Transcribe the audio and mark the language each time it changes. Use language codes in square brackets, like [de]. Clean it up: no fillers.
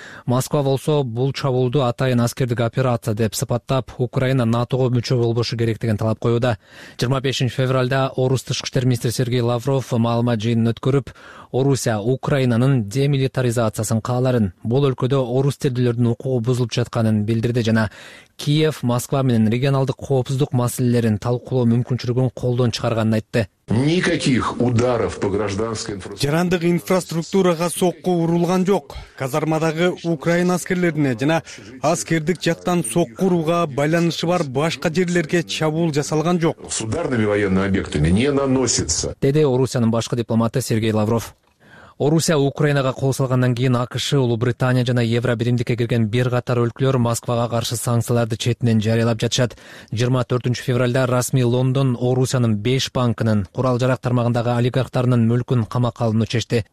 [ky] Москва болсо бул чабуулду атайын аскердик операция деп сыпаттап, Украина НАТОго мүчө болбошу керек деген талап коюуда. 25 февралда орус тышкы иштер министри Сергей Лавров маалымат жыйынын өткөрүп, Орусия Украинанын демилитаризациясын кааларын, бул өлкөдө орус тилдүүлөрдүн укугу бузулуп жатканын билдирди жана Киев, Москва менен регионалдык коопсуздук маселелерин талкуулоо мүмкүнчүлүгүн колдон чыгарганын айтты. [ru] Никаких ударов по гражданской инфраструктуре. [ky] Жарандык инфраструктурага сокку урулган жок. Казармадагы Украина аскерлерине жана аскердик жактан сокку урууга байланышы бар башка жерлерге чабуул жасалган жок. [ru] С ударными военными объектами не наносится. [ky] Деди Орусиянын башкы дипломаты Сергей Лавров. Орусия Украинага кол салгандан кийин АКШ, Улуубритания жана Евробиримдикке кирген бир катар өлкөлөр Москвага каршы санкцияларды четинен жарыялап жатышат. 24 февралда расмий Лондон Орусиянын 5 банкынын курал жарак тармагындагы олигархтарынын мүлкүн камакка алууну чечти.